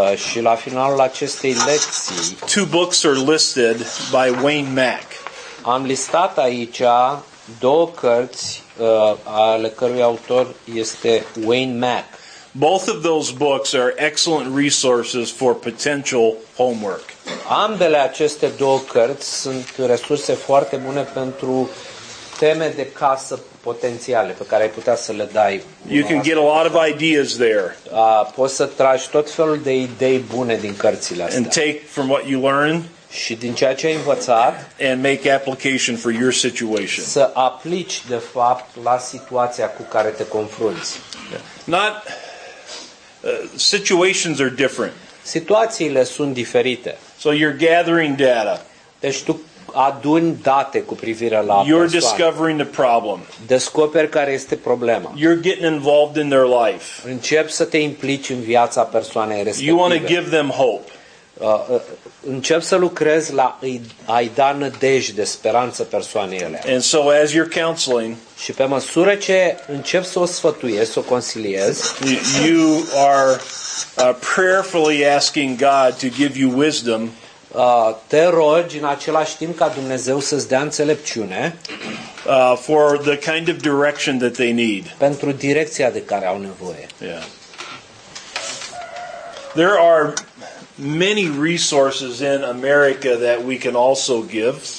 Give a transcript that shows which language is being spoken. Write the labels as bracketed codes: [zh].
[ro] Și la finalul acestei lecții. [en] Two books are listed by Wayne Mack. [ro] Am listat aici două cărți ale cărui autor este Wayne Mack. [en] Both of those books are excellent resources for potential homework. [ro] Ambele aceste două cărți sunt resurse foarte bune pentru teme de casă potențiale pe care ai putea să le dai. [en] You can get a lot of ideas there. [ro] Poți să tragi tot felul de idei bune din cărțile astea. [en] And take from what you learn. [ro] Și din ceea ce ai învățat, [en] and make application for your situation. [ro] Să aplici de fapt la situația cu care te confrunți. [en] Not situations are different. [ro] Situațiile sunt diferite. [en] So you're gathering data. [ro] Deci tu aduni date cu privire la persoană. [en] You're discovering the problem. [ro] Descoperi care este problema. [en] You're getting involved in their life. [ro] Începi să te implici în viața persoanei respective. [en] You want to give them hope. [ro] Încep să lucrez la a-i da nădejde, speranță persoanei alea. [en] And so as you're counseling, [ro] și pe măsură ce încep să o sfătuiesc, să o consiliez, [en] you are prayerfully asking God to give you wisdom. [ro] Te rogi în același timp ca Dumnezeu să-ți dea înțelepciune [en] for the kind of direction that they need. [ro] Pentru direcția de care au nevoie. [en] Yeah. There are many resources in America that we can also give.